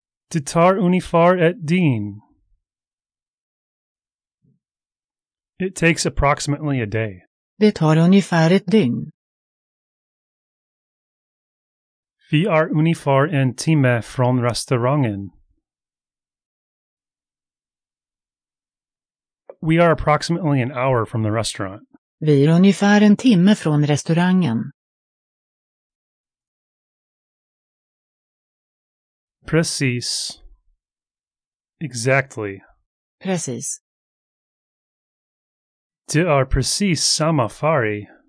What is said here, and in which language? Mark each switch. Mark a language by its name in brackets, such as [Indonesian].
[Swedish] Det tar ungefär ett dygn. [English] It takes approximately a day. [Swedish] Det tar ungefär ett dygn. Vi är ungefär en timme från restaurangen. [English] We are approximately an hour from the restaurant. [Swedish] Vi är ungefär en timme från restaurangen. Precis. [English] Exactly. [Swedish] Precis. Det är precis samma färg.